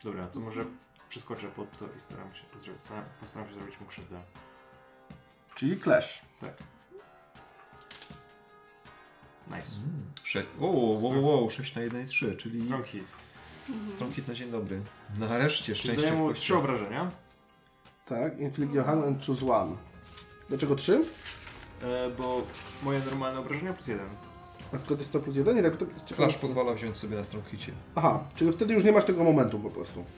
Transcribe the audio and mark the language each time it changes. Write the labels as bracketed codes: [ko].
[pl] Dobra, to może przeskoczę pod to i postaram się zrobić mu krzywdę. Czyli clash. Tak. [en] Nice. Mm, [pl] wow, 6 na 1 i 3, czyli... [en] Strong hit. [pl] Strong hit na dzień dobry. Nareszcie, szczęście w kościach. 3 obrażenia. Tak, [en] inflict your hand and choose one. [pl] Dlaczego 3? Bo moje normalne obrażenia plus 1. A skąd jest to plus 1? Tak, to... Clash pozwala wziąć sobie na strong hitie. Aha, czyli wtedy już nie masz tego momentu po prostu.